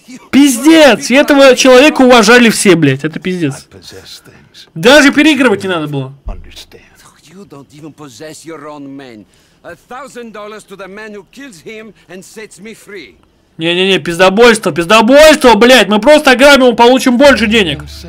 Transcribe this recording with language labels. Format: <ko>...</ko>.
<ru>Пиздец, и этого человека уважали все, блять, это пиздец. Даже переигрывать не надо было.</ru> <en>You don't even possess your own men. $1,000 to the man who kills him and sets me free.</en> <ru>Не-не-не, пиздобольство, пиздобольство, блять, мы просто ограбим и получим больше денег.</ru>